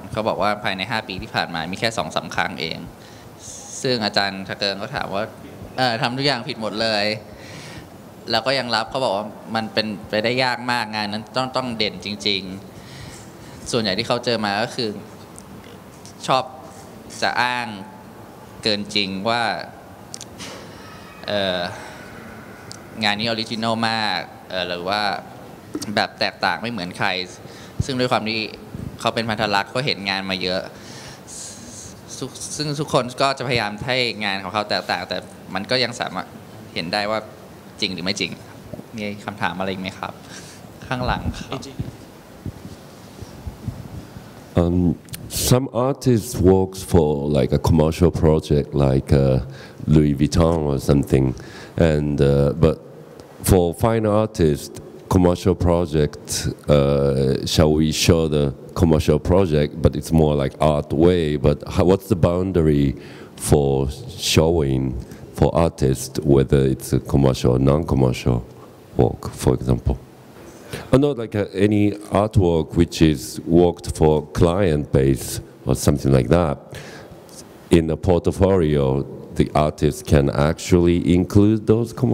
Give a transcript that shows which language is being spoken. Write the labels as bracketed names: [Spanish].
[English] He said that in the past 5 years, there have only been 2-3 times. [Thai] ซึ่งอาจารย์ทักเกิงก็ถามว่าทำทุกอย่างผิดหมดเลยแล้วก็ยังรับเขาบอกว่ามันเป็นไปได้ยากมากงานนั้นต้องเด่นจริงๆส่วนใหญ่ที่เขาเจอมาก็คือชอบจะอ้างเกินจริงว่า งานนี้ออริจินอลมากหรือว่าแบบแตกต่างไม่เหมือนใครซึ่งด้วยความที่เขาเป็นพันธรักษ์เขาเห็นงานมาเยอะซึ่งทุกคนก็จะพยายามให้งานของเขาแตกต่างแต่มันก็ยังสามารถเห็นได้ว่าจริงหรือไม่จริงมีคำถามอะไรไหมครับข้างหลังครับ [English] Some artists work for like a commercial project like Louis Vuitton or something and but for fine artists commercial project shall we show the commercial project but it's more like art way but how, what's the boundary for showing for artists whether it's a commercial or non-commercial work for example or not like any artwork which is worked for client base or something like that in a portfolio the artist can actually include those